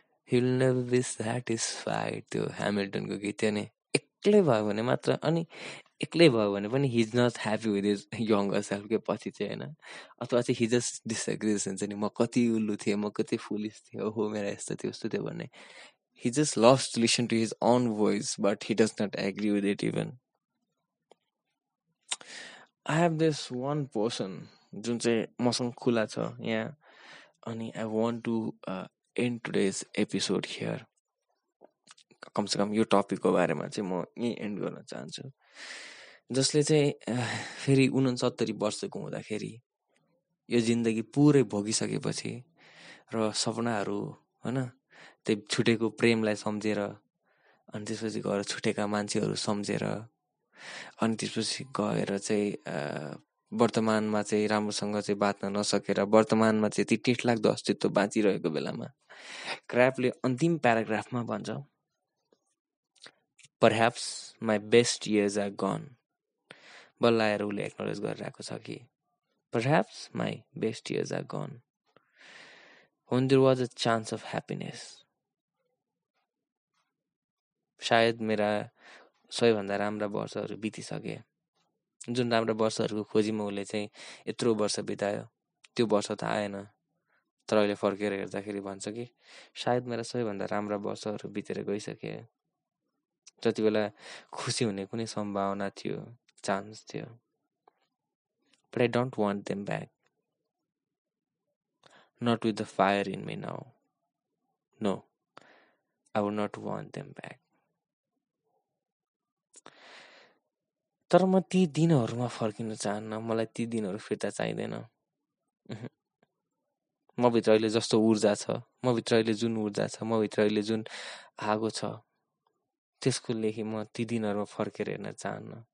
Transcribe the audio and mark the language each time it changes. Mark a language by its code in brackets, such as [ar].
[en] he will never be satisfied, [ne] त्यो ह्यामिल्टनको गीत थियो नि, एक्लै भयो भने मात्र, अनि एक्लै भयो भने पनि [en] he is not happy with his young सेल्फकै [ne] पछि चाहिँ होइन, अथवा चाहिँ [en] he just disagrees [ne] हुन्छ नि म कति उल्लु थिएँ म कति फुलिस थिएँ हो मेरा यस्तो थियो उस्तो थियो भन्ने. [en] He just loves to listen to his own voice but he does not agree with it even. I have this one person [ne] जुन चाहिँ मसँग खुला छ यहाँ, [en] अनि I want to end today's episode here. [ne] कमसेकम यो टपिकको बारेमा चाहिँ म यहीँ एन्ड गर्न चाहन्छु. जसले चाहिँ फेरि 69 वर्षको हुँदाखेरि यो जिन्दगी पुरै भोगिसकेपछि र सपनाहरू होइन त्यही छुटेको प्रेमलाई सम्झेर अनि त्यसपछि गएर छुटेका मान्छेहरू सम्झेर अनि त्यसपछि गएर चाहिँ वर्तमानमा चाहिँ राम्रोसँग चाहिँ बाँच्न नसकेर वर्तमानमा चाहिँ त्यति टेटलाग्दो अस्तित्व बाँचिरहेको बेलामा क्राफ्टले अन्तिम प्याराग्राफमा भन्छ, [en] Perhaps my best years are gone. [ne] बल्ल आएर उसले एक्नोलेज गरिरहेको छ कि [en] Perhaps my best years are gone. When there was a chance of happiness. [ne] सायद मेरा सबैभन्दा राम्रा वर्षहरू बितिसके. जुन राम्रा वर्षहरूको खोजीमा उसले चाहिँ यत्रो वर्ष बितायो, त्यो वर्ष त आएन. तर अहिले फर्केर हेर्दाखेरि भन्छ कि सायद मेरा सबैभन्दा राम्रा वर्षहरू बितेर गइसके. जति बेला खुसी हुने कुनै सम्भावना थियो, चान्स थियो. [en] But I don't want them back. Not with the fire in me now. No, I would not want them back. [ne] तर म ती दिनहरूमा फर्किन चाहन्न. मलाई ती दिनहरू फिर्ता चाहिँदैन. मभित्र अहिले जस्तो ऊर्जा छ, मभित्र अहिले जुन ऊर्जा छ, मभित्र अहिले जुन आगो छ, त्यसको लेखि म ती दिनहरूमा फर्केर हेर्न चाहन्न.